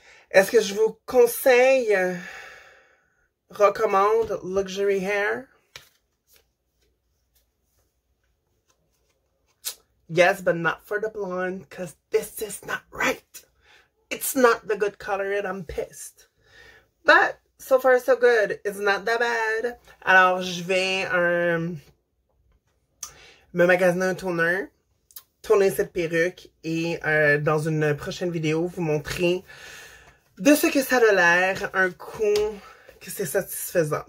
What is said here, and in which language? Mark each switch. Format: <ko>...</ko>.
<fr>Est-ce que je vous conseille, recommande luxury hair?</fr> <en>Yes, but not for the blonde, because this is not right. It's not the good color, and I'm pissed. But so far, so good. It's not that bad.</en> <fr>Alors, je vais me magasiner un toner, tourner cette perruque et dans une prochaine vidéo, vous montrer de ce que ça a l'air, un coup que c'est satisfaisant.</fr>